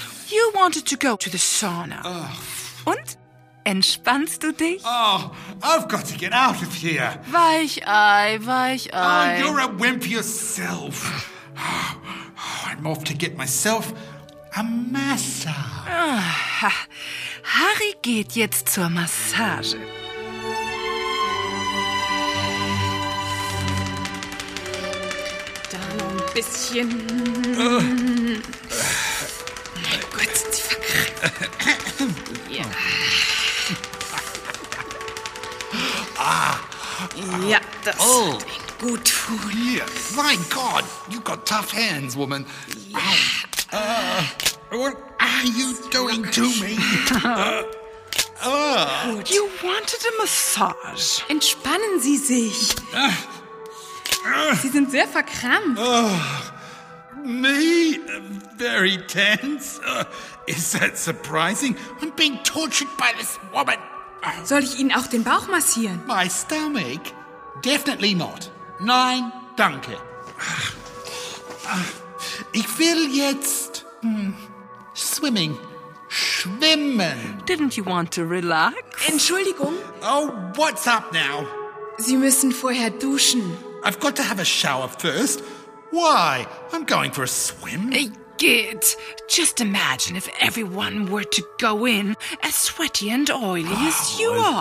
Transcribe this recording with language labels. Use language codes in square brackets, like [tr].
[en] You wanted to go to the sauna. [de] Und? Entspannst du dich? [en] Oh, I've got to get out of here. [de] Weichei, weichei. [en] Oh, you're a wimp yourself. I'm off to get myself a massage. [de] Harry geht jetzt zur Massage. Da noch ein bisschen. Gut, die verkrampft. Ja. Ja, das ist gut tun. [en] Yeah. My God, you've got tough hands, woman. Yeah. are you doing to me? Gut. You wanted a massage. [de] Entspannen Sie sich. Sie sind sehr verkrampft. [en] Me? Very tense. Is that surprising? I'm being tortured by this woman. [de] Soll ich Ihnen auch den Bauch massieren? [en] My stomach? Definitely not. [de] Nein, danke. Ich will jetzt swimming. Schwimmen. [en] Didn't you want to relax? [de] Entschuldigung. [en] Oh, what's up now? [de] Sie müssen vorher duschen. [en] I've got to have a shower first. Why? I'm going for a swim. Git, just imagine if everyone were to go in as sweaty and oily as you are.